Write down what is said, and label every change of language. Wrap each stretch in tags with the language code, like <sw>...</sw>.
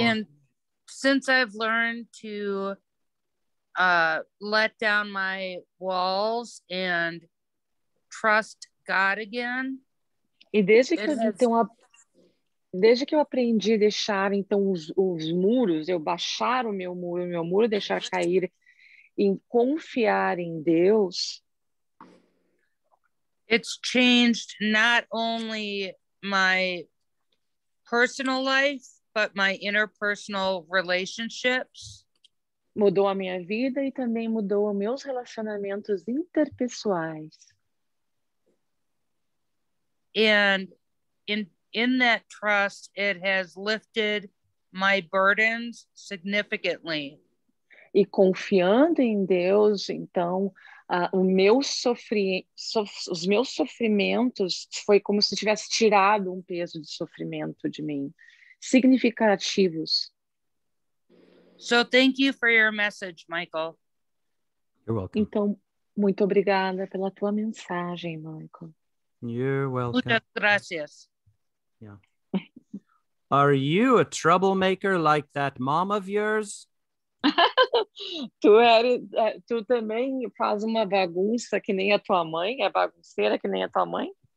<en>And since I've learned to let down my walls and trust God again.</en> <pt>E desde que eu aprendi a deixar então os muros, eu baixar o meu muro, deixar cair e confiar em Deus.</pt> <en>It's changed not only my personal life, but my interpersonal relationships.</en> <pt>Mudou a minha vida e também mudou os meus relacionamentos interpessoais.</pt> <en>And in that trust, it has lifted my burdens significantly.</en> <pt>E confiando em Deus, então... os meus sofrimentos foi como se tivesse tirado um peso de sofrimento de mim, significativos.</pt> <en>So thank you for your message, Michael. You're welcome.</en> <pt>Então, muito obrigada pela tua mensagem, Michael.</pt> <en>You're welcome.</en> <es>Muchas gracias.</es> <en>Yeah. Are you a troublemaker like that mom of yours?</en> <pt>Tu também faz uma bagunça que nem a tua mãe, é bagunceira que nem a tua mãe?</pt>